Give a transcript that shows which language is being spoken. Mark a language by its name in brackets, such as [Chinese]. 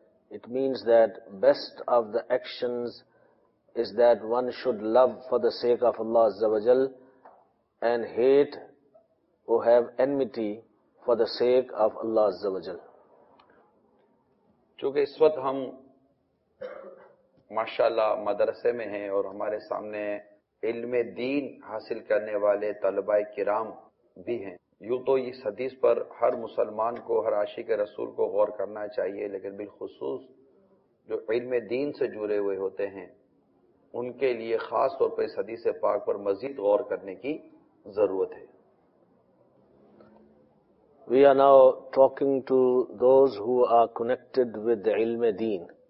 [English] It means that best of the actions is that one should love for the sake of Allah عز و جل and hate or have enmity for the sake of Allah Azza wa Jal. [Urdu] چونکہ اس وقت ہم ماشاءاللہ مدرسے میں ہیں اور ہمارے سامنے علم دین حاصل کرنے والے طلباء کرام بھی ہیں, یوں تو اس حدیث پر ہر مسلمان کو ہر عاشق رسول کو غور کرنا چاہیے, لیکن بالخصوص جو علم دین سے جڑے ہوئے ہوتے ہیں ان کے لیے خاص طور پر اس حدیث پاک پر مزید غور کرنے کی ضرورت ہے. [English] We are now talking to those who are connected with the علم دین.